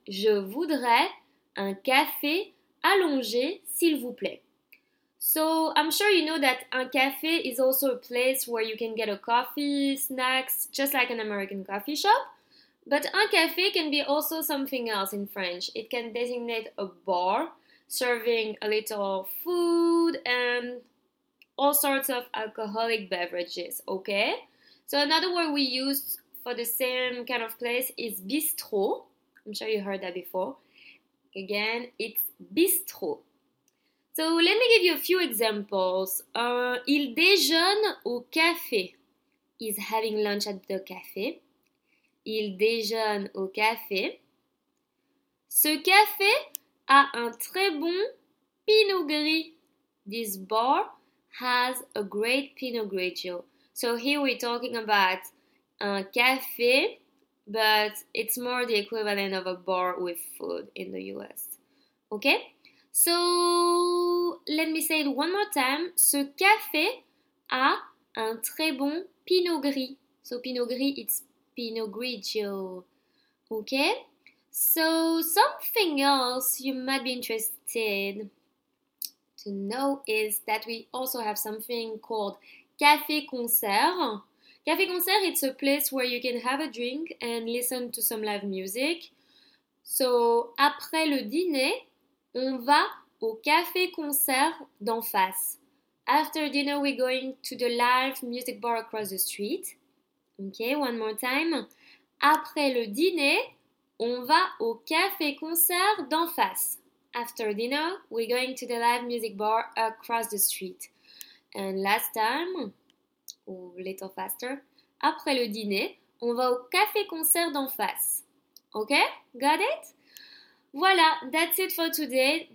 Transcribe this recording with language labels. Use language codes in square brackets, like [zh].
[fr] Je voudrais un café allongé, s'il vous plaît. [en] So I'm sure you know that un café is also a place where you can get a coffee, snacks, just like an American coffee shop. But un café can be also something else in French. It can designate a bar serving a little food and all sorts of alcoholic beverages, okay? So another word we use for the same kind of place is bistrot. I'm sure you heard that before. Again, it's bistrot. So let me give you a few examples. [fr] Il déjeune au café. [en] He's having lunch at the café. [fr] Il déjeune au café. Ce café a un très bon pinot gris. [en] This bar has a great Pinot Grigio. So here we're talking about a café, but it's more the equivalent of a bar with food in the US. Okay? So let me say it one more time. [fr] Ce café a un très bon Pinot Gris. [en] So Pinot Gris, it's Pinot Grigio. Okay? So something else you might be interested to know is that we also have something called café concert. Café concert, it's a place where you can have a drink and listen to some live music. [fr] So, après le dîner, on va au café concert d'en face. [en] After dinner, we're going to the live music bar across the street. Okay, one more time. [fr] Après le dîner, on va au café concert d'en face. [en] After dinner, we're going to the live music bar across the street. And last time, a little faster, [fr] après le dîner, on va au café concert d'en face. [en] Okay? Got it? Voilà, that's it for today.